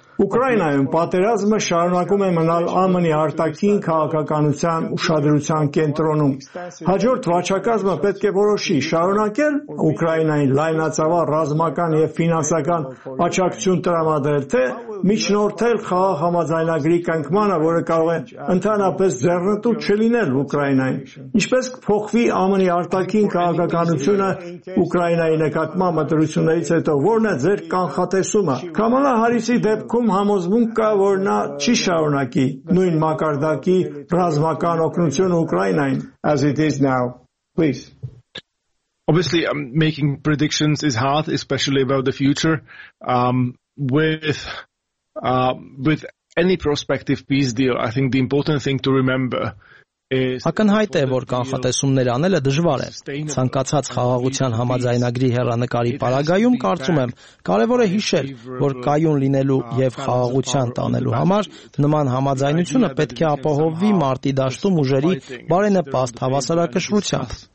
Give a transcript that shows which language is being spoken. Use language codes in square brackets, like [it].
[hy] Ուկրաինայում պատերազմը շարունակում է մնալ ԱՄՆ-ի արտաքին քաղաքականության ուշադրության կենտրոնում։ Հաջորդ վարչակազմը պետք է որոշի շարունակել Ուկրաինային լայնածավալ ռազմական եւ ֆինանսական աջակցություն տրամադրել, թե միջնորդել խաղաղ համաձայնագրի կնքմանը, որը կարող է ընդհանրապես ձեռնտու չլինել Ուկրաինային։ Ինչպես կփոխվի ԱՄՆ-ի արտաքին քաղաքականությունը Ուկրաինայի նկատմամբ ընտրություններից հետո, որն է ձեր կանխատեսումը։ Կամալա Հարիսի դեպքում համոզվում կա, որ նա չի շարունակի նույն մակարդակի ռազմական օգնությունը Ուկրաինային, [en] as it is now. Please. Obviously, making predictions is hard, especially about the future. With any prospective peace deal, I think the important thing to remember [hy] Ակնհայտ է, որ կանխատեսումներ անելը դժվար է։ Ցանկացած խաղաղության համաձայնագրի հեռանկարի պարագայում կարծում եմ, կարևոր է հիշել, որ կայուն լինելու եւ խաղաղության տանելու համար նման համաձայնությունը պետք է ապահովվի մարտի դաշտում ուժերի բարենպաստ հավասարակշռությամբ։